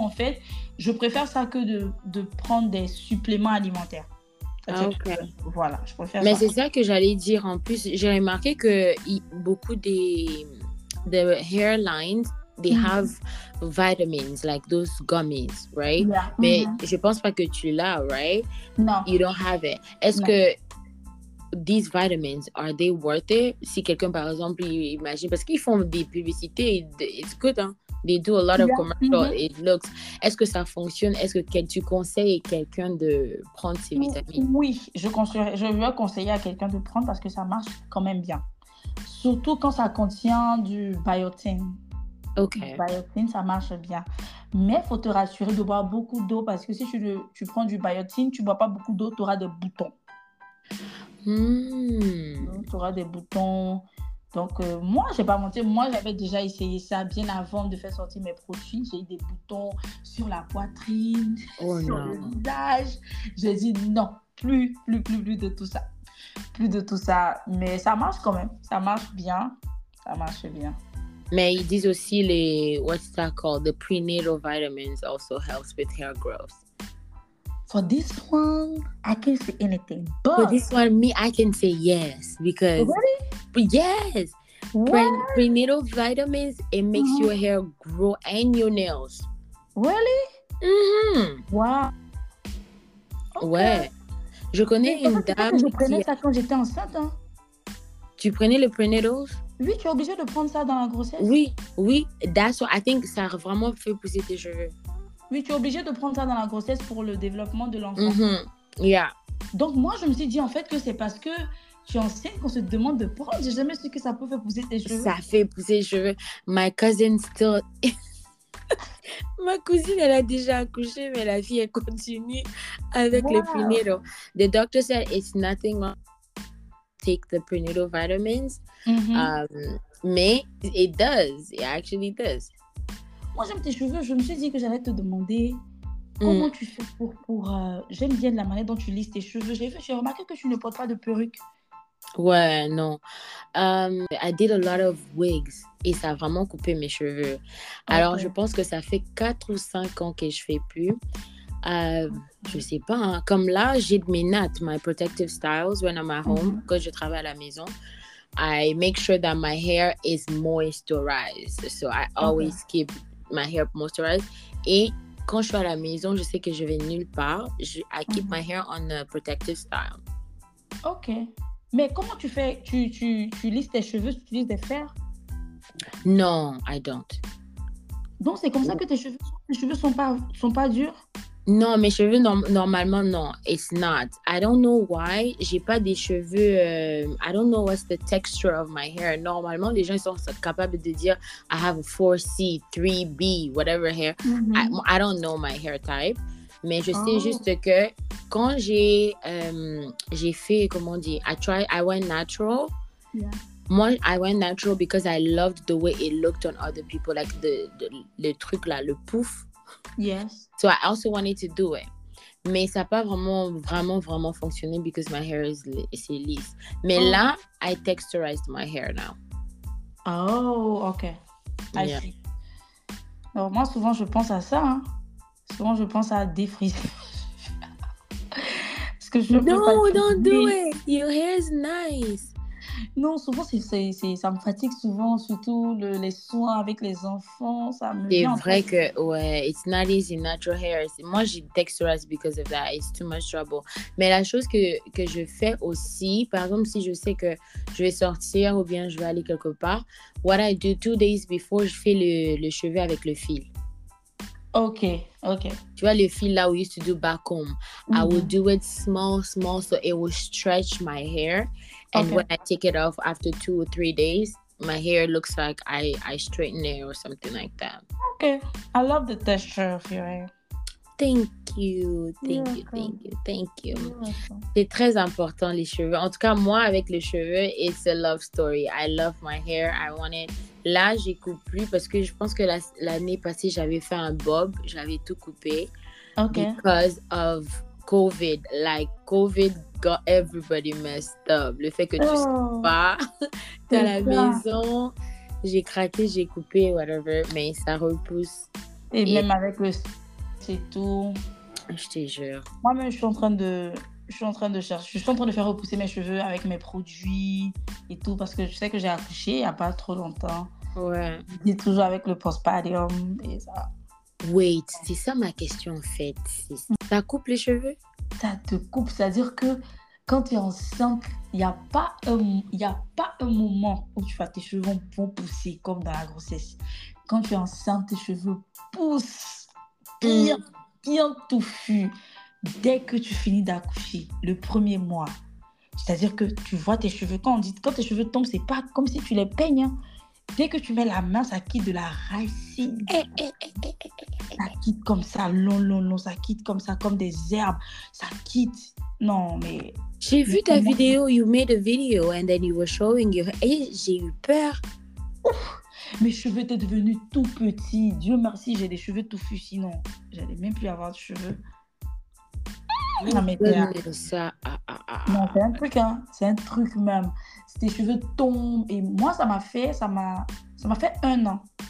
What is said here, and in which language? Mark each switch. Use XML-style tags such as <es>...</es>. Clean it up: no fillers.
<fr>En fait, je préfère ça que de prendre des suppléments alimentaires. Voilà, je préfère Mais ça. C'est ça que j'allais dire. En plus, j'ai remarqué que beaucoup des</fr> <en>hairlines, they have vitamins, like those gummies, right? Yeah.</en> <fr>Mais je pense pas que tu l'as,</fr> <en>right?</en> <fr>Non.</fr> <en>You don't have it.</en> <fr>Est-ce que</fr> <en>these vitamins, are they worth it?</en> <fr>Si quelqu'un, par exemple, imagine, parce qu'ils font des publicités,</fr> <en>it's good,</en> <fr>hein?</fr> <en>They do a lot of commercial, it looks.</en> <fr>Est-ce que ça fonctionne? Est-ce que tu conseilles quelqu'un de prendre ces vitamines? Oui, je veux conseiller à quelqu'un de prendre parce que ça marche quand même bien. Surtout quand ça contient du biotin. Ok. Du biotin, ça marche bien. Mais il faut te rassurer de boire beaucoup d'eau parce que si tu prends du biotin, tu ne bois pas beaucoup d'eau, tu auras des boutons. Tu auras des boutons. Donc, moi, je n'ai pas menti. Moi, j'avais déjà essayé ça bien avant de faire sortir mes produits. J'ai eu des boutons sur la poitrine, le visage. J'ai dit non, plus de tout ça. Plus de tout ça. Mais ça marche quand même. Ça marche bien. Ça marche bien. Mais ils disent aussi les...</fr> <en>What's that called? The prenatal vitamins also helps with hair growth. For this one, I can't say anything. But for this one, me, I can say yes. Because... Really? Yes, what? Prenatal vitamins, it makes your hair grow and your nails. Really? Mm-hmm. Wow. Okay.</en> <fr>Ouais. Je connais une dame. Je prenais ça quand j'étais enceinte. Hein? Tu prenais les prenatals? Oui, tu es obligée de prendre ça dans la grossesse. Oui, oui.</fr> <en>That's what I think</en> <fr>ça a vraiment fait pousser tes cheveux. Oui, tu es obligée de prendre ça dans la grossesse pour le développement de l'enfant.</fr> <en>Mm-hmm. Yeah.</en> <fr>Donc, moi, je me suis dit en fait que c'est parce que. Tu es ancienne qu'on se demande de prendre. J'ai jamais su que ça pouvait pousser tes cheveux. Ça fait pousser les cheveux.</fr> <en>My cousin still...</en> <fr>Ma cousine, elle a déjà accouché, mais la fille, elle continue avec les prenatal.</fr> <en>The doctor said it's nothing wrong. Take the prenatal vitamins. Mais it does. It actually does.</en> <fr>Moi, j'aime tes cheveux. Je me suis dit que j'allais te demander... Comment tu fais pour j'aime bien la manière dont tu lisses tes cheveux. J'ai remarqué que tu ne portes pas de perruque. Ouais, non.</fr> <en>I did a lot of wigs</en> <fr>et ça a vraiment coupé mes cheveux. Alors, je pense que ça fait 4 ou 5 ans que je fais plus. Je sais pas. Hein. Comme là, j'ai de mes nattes,</fr> <en>my protective styles when I'm at home,</en> <fr>quand je travaille à la maison.</fr> <en>I make sure that my hair is moisturized. So, I always keep my hair moisturized.</en> <fr>Et quand je suis à la maison, je sais que je vais nulle part.</fr> <en>I keep my hair on a protective style.</en> <fr>Ok. Mais comment tu fais? Tu lisses tes cheveux, tu utilises des fers?</fr> <en>Non, I don't.</en> <fr>Donc, c'est comme ça que tes cheveux sont pas durs? Non, mes cheveux, normalement, non.</fr> <en>It's not. I don't know why.</en> <fr>J'ai pas des cheveux...</fr> <en>I don't know what's the texture of my hair.</en> <fr>Normalement, les gens sont capables de dire</fr> <en>I have a 4C, 3B, whatever hair. I don't know my hair type.</en> <fr>Mais je sais juste que quand j'ai fait, comment on dit,</fr> <en>I went natural. Yeah. Moi, I went natural because I loved the way it looked on other people, like</en> <fr>le truc là, le pouf.</fr> <en>Yes. So I also wanted to do it.</en> <fr>Mais ça n'a pas vraiment, vraiment, vraiment fonctionné</fr> <en>because my hair is</en> <fr>lisse. Mais là,</fr> <en>I texturized my hair now. Oh, okay. I see.</en> <fr>Alors, moi, souvent, je pense à ça, hein. Souvent, je pense à des frisures. Parce que je ne peux pas... Non,</fr> <en>don't do it. Your hair is nice.</en> <fr>Non, souvent, ça me fatigue souvent, surtout les soins avec les enfants. Ça me c'est vrai que, ouais,</fr> <en>it's not easy, natural hair. Moi, j'ai texturized because of that. It's too much trouble.</en> <fr>Mais la chose que je fais aussi, par exemple, si je sais que je vais sortir ou bien je vais aller quelque part,</fr> <en>what I do 2 days before,</en> <fr>je fais le cheveu avec le fil.</fr> <en>Ok, ok.</en> <fr>Tu vois le fil là où</fr> <en>I used to do back home.</en> <fr>Mm-hmm.</fr> <en>I would do it small, small, so it will stretch my hair. And okay. When I take it off after 2 or 3 days, my hair looks like I straighten it or something like that. Okay. I love the texture of your hair. Thank you.</en> <fr>C'est très important, les cheveux. En tout cas, moi, avec les cheveux,</fr> <en>it's a love story. I love my hair. I want it.</en> <fr>Là, j'ai coupé plus parce que je pense que l'année passée, j'avais fait un bob. J'avais tout coupé.</fr> <en>Okay. Because of COVID. Like, COVID got everybody messed up.</en> <fr>Le fait que tu sois pas à la maison, j'ai craqué, j'ai coupé, whatever, mais ça repousse. Et même avec le... C'est tout. Je te jure. Moi-même, je suis en train de faire repousser mes cheveux avec mes produits et tout, parce que je sais que j'ai accouché il n'y a pas trop longtemps. Ouais. J'ai toujours avec le postpartum et ça. Wait, c'est ça ma question, en fait. Ça coupe les cheveux? Ça te coupe, c'est-à-dire que quand tu es enceinte, il n'y a pas un moment où tu vois tes cheveux vont pousser comme dans la grossesse. Quand tu es enceinte, tes cheveux poussent bien touffu dès que tu finis d'accoucher, le premier mois. C'est-à-dire que tu vois tes cheveux, quand tes cheveux tombent, c'est pas comme si tu les peignes. Hein. Dès que tu mets la main, ça quitte de la racine. Ça quitte comme ça, long, long, long. Ça quitte comme ça, comme des herbes. Ça quitte. Non, mais... J'ai vu ta vidéo.</fr> <en>You made a video and then you were showing your...</en> <fr>Et j'ai eu peur. Ouf, mes cheveux étaient devenus tout petits. Dieu merci, j'ai des cheveux touffus. Sinon, j'allais même plus avoir de cheveux. Non, mais ça. Non, c'est un truc, hein. C'est un truc même. Tes cheveux tombent. Et moi, ça m'a fait un an.</fr>